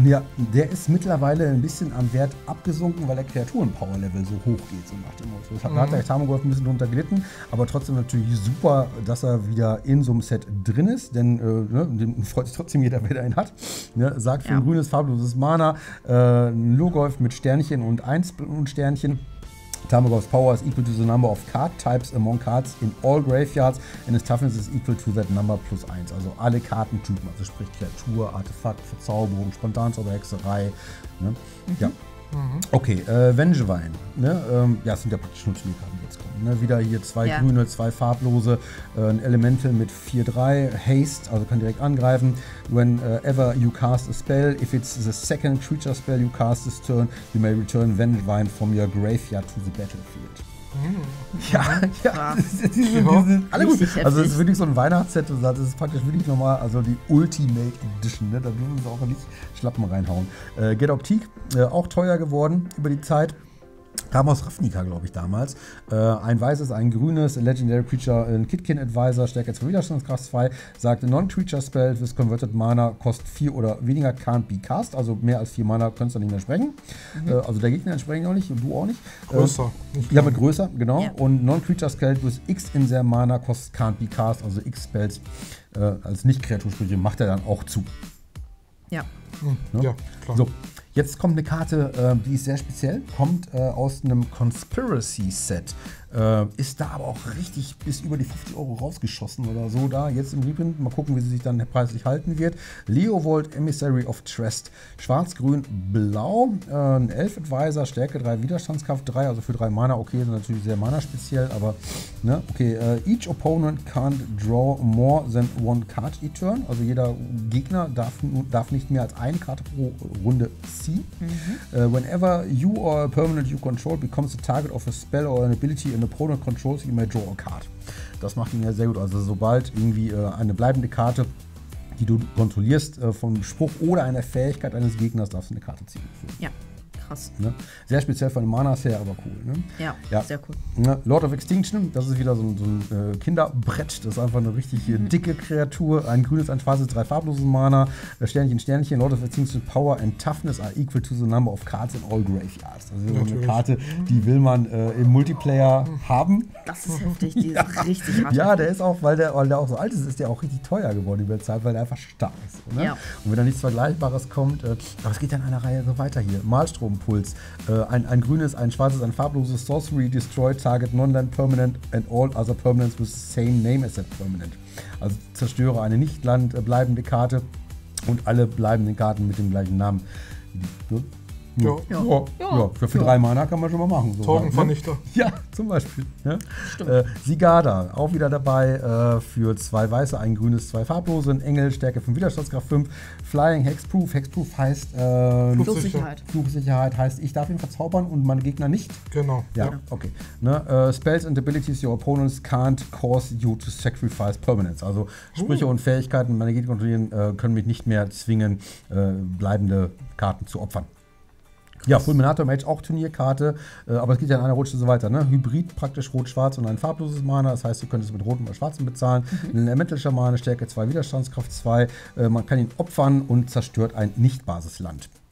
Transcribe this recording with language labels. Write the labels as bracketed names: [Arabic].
[German] Ja, der ist mittlerweile ein bisschen am Wert abgesunken, weil der Kreaturen-Power-Level so hoch geht, so nach dem Motto. Da hat der Tarmogoyf ein bisschen drunter gelitten, aber trotzdem natürlich super, dass er wieder in so einem Set drin ist, denn den freut sich trotzdem jeder, wer ihn hat. Ne? Sagt für ein grünes, farbloses Mana, ein Logoyf mit Sternchen und 1 und Sternchen. [English] Tarmogoyf's Power is equal to the number of card types among cards in all graveyards and its toughness is equal to that number +1. [German] Also alle Kartentypen, also sprich Kreatur, Artefakt, Verzauberung, Spontanzauber, Hexerei. Ne? Ja. Okay, Vengevine. Ne? Ja, es sind ja praktisch nur Turnierkarten, die jetzt kommen. Ne? Wieder hier 2 grüne, 2 farblose, ein Elemental mit 4/3, Haste, also kann direkt angreifen. [English] Whenever you cast a spell, if it's the second creature spell you cast this turn, you may return Vengevine from your graveyard to the battlefield. [German] Ja, ja. Alle gut. Also es ist wirklich so ein Weihnachtsset, das ist praktisch wirklich nochmal, also die Ultimate Edition, ne? Da dürfen sie auch nicht Schlappen reinhauen. Get Optik, auch teuer geworden über die Zeit. Kam aus Ravnica, glaube ich, damals. Ein weißes, ein grünes, Legendary Creature, ein Kitkin Advisor, Stärke 2 Widerstandskraft 2, sagt Non-Creature Spell, with Converted Mana, kostet 4 oder weniger, [English] can't be cast. [German] Also mehr als 4 Mana könntest du nicht mehr sprechen. Mhm. Also der Gegner entsprechend auch nicht und du auch nicht. Größer. Ja, mit größer, genau. Ja. Und [English] Non-Creature Spell, with X in their Mana, [German] kostet [English] can't be cast. [German] Also X Spells als Nicht-Kreatursprüche macht er dann auch zu. Ja. Ne? Ja, klar. So. Jetzt kommt eine Karte, die ist sehr speziell, kommt aus einem Conspiracy-Set, ist da aber auch richtig bis über die 50 Euro rausgeschossen oder so da, jetzt im Reprint, mal gucken, wie sie sich dann preislich halten wird. Leovold, Emissary of Trest, schwarz-grün-blau, ein Elf-Advisor, Stärke 3, Widerstandskraft 3, also für 3 Mana, okay, sind natürlich sehr Mana-speziell, aber, ne, okay. [English] Each opponent can't draw more than one card each turn, [German] also jeder Gegner darf nicht mehr als eine Karte pro Runde ziehen. Mhm. [English] Whenever you or a permanent you control becomes the target of a spell or an ability in the Opponent Controls, you may draw a card. [German] Das macht ihn ja sehr gut. Also sobald irgendwie eine bleibende Karte, die du kontrollierst, vom Spruch oder einer Fähigkeit eines Gegners, darfst du eine Karte ziehen. Ja, krass. Ne? Sehr speziell von den Manas her, aber cool. Ne? Ja, ja, sehr cool. Ne? Lord of Extinction, das ist wieder so ein Kinderbrett. Das ist einfach eine richtig dicke Kreatur. Ein grünes, ein schwarzes, 3 farbloses Mana. Sternchen, Sternchen. [English] Lord of Extinction, Power and Toughness are equal to the number of cards in all graveyards. [German] Das ist natürlich eine Karte, die will man im Multiplayer haben. Das ist heftig, die ist richtig hart. Ja, der ist auch, weil der auch so alt ist, ist der auch richtig teuer geworden über die Zeit, weil der einfach stark ist. Ne? Ja. Und wenn da nichts Vergleichbares kommt, aber es geht dann in einer Reihe so weiter hier. Malstrom. Impuls. Ein grünes, ein schwarzes, ein farbloses [English] Sorcery, Destroy, Target, Non-Land, Permanent and all other Permanents with same name as that Permanent. [German] Also zerstöre eine Nicht-Land bleibende Karte und alle bleibenden Karten mit dem gleichen Namen. Für 3 Mana kann man schon mal machen. Torgenvernichter. Ja, zum Beispiel. Ja. Stimmt. Sigarda, auch wieder dabei. Für 2 weiße, ein grünes, 2 farblose. Ein Engel, Stärke 5, Widerstandskraft 5. Flying Hexproof. Hexproof heißt Fluchsicherheit. Fluchsicherheit heißt, ich darf ihn verzaubern und meine Gegner nicht. Genau. Ja, ja. Okay. Ne? [English] Spells and abilities your opponents can't cause you to sacrifice permanents. [German] Also Sprüche und Fähigkeiten, meine Gegner kontrollieren, können mich nicht mehr zwingen, bleibende Karten zu opfern. Ja, Fulminator Mage, auch Turnierkarte, aber es geht ja in einer Rutsche so weiter, ne? Hybrid praktisch rot-schwarz und ein farbloses Mana, das heißt, du könntest mit rotem oder schwarzem bezahlen. Mhm. Ein elementischer Mana, Stärke 2, Widerstandskraft 2, man kann ihn opfern und zerstört ein Nicht-Basisland.